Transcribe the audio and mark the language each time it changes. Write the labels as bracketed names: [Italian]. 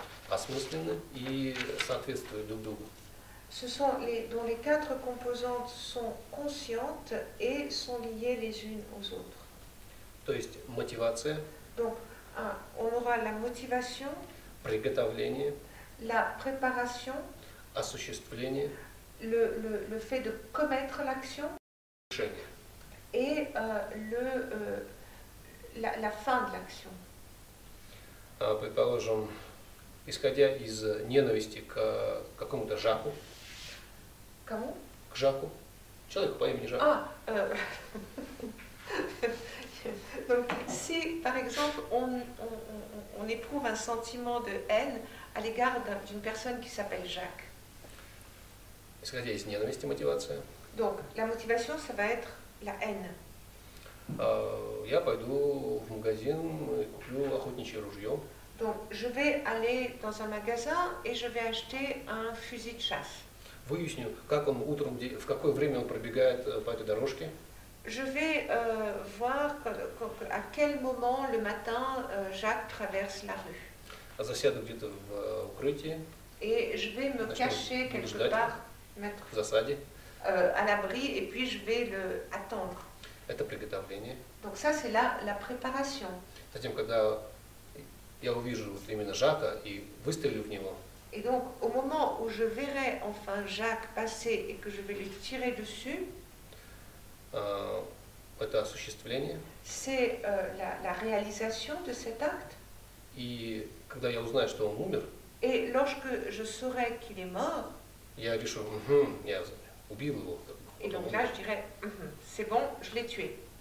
[Russian] осмыслены и соответствуют друг другу. [French] Ce sont les dont les quatre composantes sont conscientes et sont liées les unes aux autres. [Russian] То есть мотивация. [French] Donc on aura la motivation. [Russian] Приготовление. [French] La préparation. [Russian] Осуществление. [French] Le fait de commettre l'action. [Russian] Решение. [French] Et la fin de l'action. [Russian] Предположим, исходя из ненависти к какому-то Жаку. Кому? К Жаку. Человеку по имени Жак. [French] А, Donc, si, par exemple, on éprouve un sentiment de haine à l'égard d'une personne qui s'appelle Jacques. [Russian] Исходя из ненависти, мотивация. [French] Donc, la motivation, ça va être la haine. [Russian] Я пойду в магазин и куплю охотничье ружье. [French] Donc, je vais aller dans un magasin et je vais acheter un fusil de chasse. [Russian] Выясню, как он утром, в какое время он пробегает по этой дорожке. [French] Je vais voir à quel moment le matin Jacques traverse la rue. [Russian] Засяду где-то в укрытии. [French] Et je vais me cacher quelque part, mettre [Russian] в засаде. [French] À l'abri et puis je vais le attendre. [Russian] Это приготовление. [French] Donc ça c'est la préparation. [Russian] Затем, когда я увижу вот именно Жака и выстрелю в него. [French] Et donc au moment où je verrai enfin Jacques passer et que je vais lui tirer dessus. [Russian] Это осуществление. [French] C'est la réalisation de cet acte. [Russian] И когда я узнаю, что он умер. [French] Et lorsque je saurai qu'il est mort. [Russian] Я решу, я убил его. [French] Et donc là, je dirais, c'est bon, je l'ai tué.